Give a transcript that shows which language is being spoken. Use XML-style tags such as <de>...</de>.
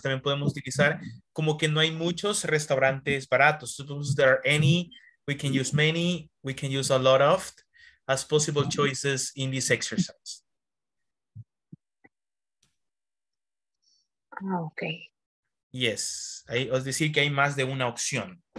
<es>También podemos utilizar como que no hay muchos restaurantes baratos.</es> <en>Suppose there are any, we can use many, we can use a lot of as possible choices in this exercise. Okay. Yes, I was</en> <es>decir que hay más de una opción.</es>